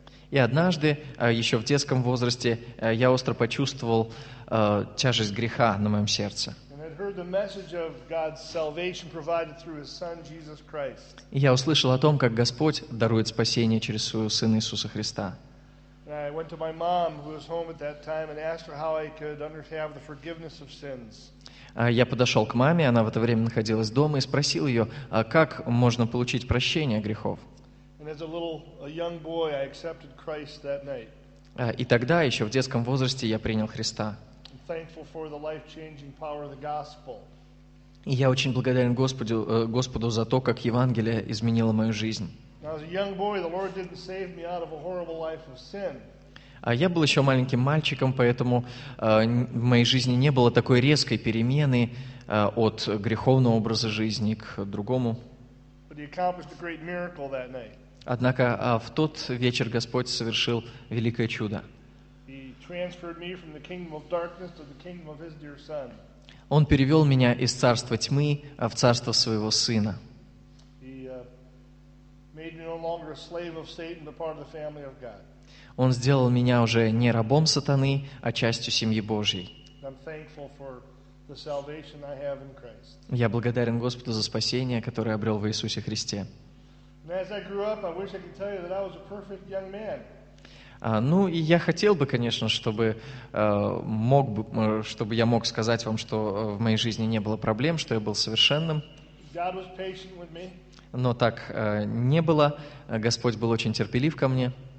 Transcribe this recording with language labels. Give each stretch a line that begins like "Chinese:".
Russian: И однажды, еще в детском возрасте, я остро почувствовал тяжесть греха на моем сердце. И я услышал о том, как Господь дарует спасение через Своего Сына Иисуса Христа.
English: I went to my mom, who was home at that time, and asked her how I could have the forgiveness of sins.
Russian: Я подошел к маме, она в это время находилась дома, и спросил ее, как можно получить прощение грехов.
English: And as a little young boy, I accepted Christ that night.
Russian: И тогда, еще в детском возрасте, я принял Христа.
English: I'm thankful for the life-changing power of the gospel.
Russian: И я очень благодарен Господу за то, как Евангелие изменило мою жизнь.
English: Now, as a young boy, the Lord didn't save me out of a horrible life of sin.
Russian: Я был еще маленьким мальчиком, поэтому в моей жизни не было такой резкой перемены от греховного образа жизни к другому.
English: But he accomplished a great miracle that night.
Russian: Однако в тот вечер Господь совершил великое чудо.
English: He transferred me from the kingdom of darkness to the kingdom of His dear Son.
Russian: Он перевел меня из царства тьмы в царство своего Сына.
English: Made me no longer a slave of Satan, but part of the family of God.
Russian: Он сделал меня уже не рабом сатаны, а частью семьи Божьей.
English: I'm thankful for the salvation I have in Christ.
Russian: Я благодарен Господу за спасение, которое обрел в Иисусе Христе.
English: And as I grew up, I wish I could tell you that I was a perfect young man.
Russian: Ну и я хотел бы, конечно, чтобы я мог сказать вам, что в моей жизни не было проблем, что я был совершенным.
English: God was patient with me.
Russian: Но так не было. Господь был очень терпелив ко мне.